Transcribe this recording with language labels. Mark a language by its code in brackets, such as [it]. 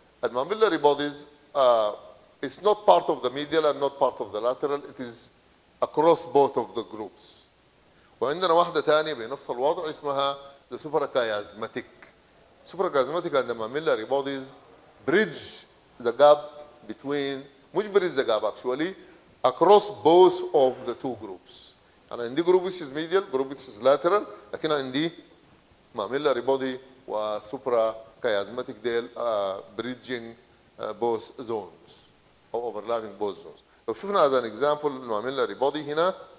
[en] And mammillary bodies is not part of the medial and not part of the lateral. It is across both of the groups. [ar] وعندنا واحدة ثانية بنفس الوضع اسمها The suprachiasmatic. [en] Suprachiasmatic and the mammillary bodies bridge the gap between, which bridge the gap actually, across both of the two groups. And in the group which is medial, group which is lateral, [ar] لكن عندي [en] mammillary body و suprachiasmatic bridging both zones, or overlapping both zones. [ar] لو شفنا [en] as an example, the mammillary body هنا,